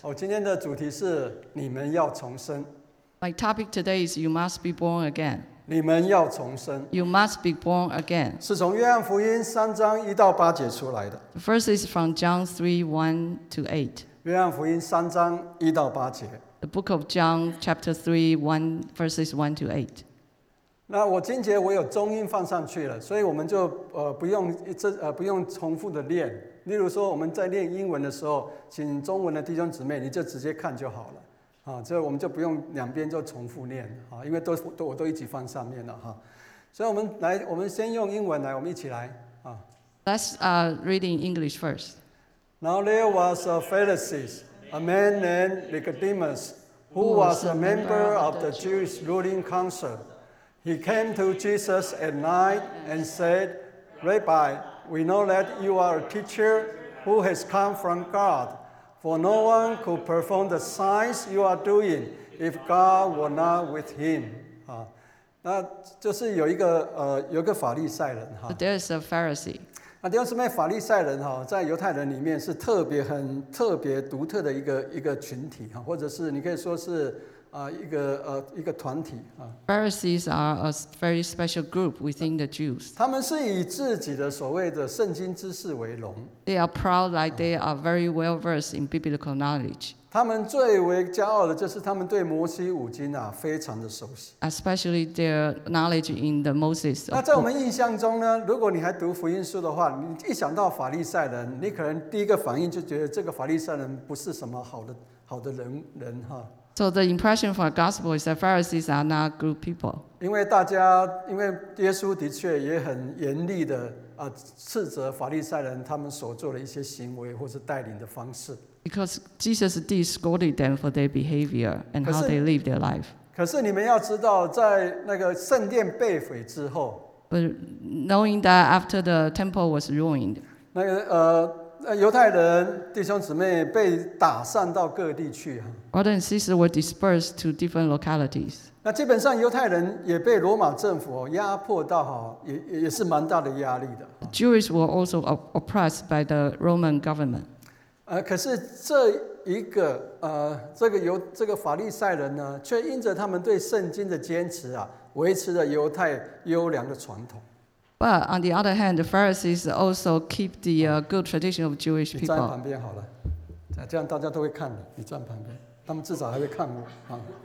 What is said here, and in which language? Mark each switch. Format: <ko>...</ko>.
<zh>我今天的主题是你们要重生。</zh> <en>My topic today is you must be born again.</en> <zh>你们要重生。</zh> <en>You must be born again.</en> <zh>是从约翰福音3:1-8出来的。</zh> <en>The first is from John 3:1-8.</en> <zh>约翰福音3:1-8.</zh> <en>The book of John chapter 3 verses 1-8.</en> <zh>那我今节我有中音放上去了，所以我们就不用重复的练。例如说我们在练英文的时候，请中文的弟兄姊妹你就直接看就好了，这我们就不用两边就重复练，因为我都一起放上面了哈。所以我们先用英文来，我们一起来啊。</zh> <en>Let's read in English first. Now there was a Pharisee, a man named Nicodemus, who was a member of the Jewish ruling council. He came to Jesus at night and said, Rabbi, we know that you are a teacher who has come from God, for no one could perform the signs you are doing if God were not with him.</en> <zh>那就是有一个有一个法利赛人哈。</zh> <en>There's a Pharisee。</en> <zh>那弟兄姊妹，法利赛人哈，在犹太人里面是特别很特别独特的一个群体哈，或者是你可以说是一个团体啊。</zh> <en>Pharisees are a very special group within the Jews。</en> <zh>他们是以自己的所谓的圣经知识为荣。</zh> <en>They are proud like they are very well versed in biblical knowledge。</en> <zh>他们最为骄傲的就是他们对摩西五经啊非常的熟悉。</zh> <en>Especially their knowledge in the Moses.</en> <zh>那在我们印象中呢，如果你还读福音书的话，你一想到法利赛人，你可能第一个反应就觉得这个法利赛人不是什么好的人哈。</zh> <en>So the impression for the gospel is that Pharisees are not good people.</en> <zh>因为大家，因为耶稣的确也很严厉的斥责法利赛人他们所做的一些行为或是带领的方式。</zh> <en>Because Jesus did scolded them for their behavior and how they live their life.</en> <zh>可是你们要知道，在那个圣殿被毁之后</zh> <en>，But knowing that after the temple was ruined,</en> <zh>那个犹太人弟兄姊妹被打散到各地去啊</zh> <en>，Brothers and sisters were dispersed to different localities.</en> <zh>那基本上犹太人也被罗马政府压迫到哈，也是蛮大的压力的。</zh> <en>Jews were also oppressed by the Roman government.</en> <zh>可是这一个这个法利赛人呢，却因着他们对圣经的坚持啊，维持了犹太优良的传统。</zh> <en>But on the other hand, the Pharisees also keep the good tradition of Jewish people.</en> <zh>你站旁边好了，这样大家都会看的。你站旁边，他们至少还会看我啊。</zh>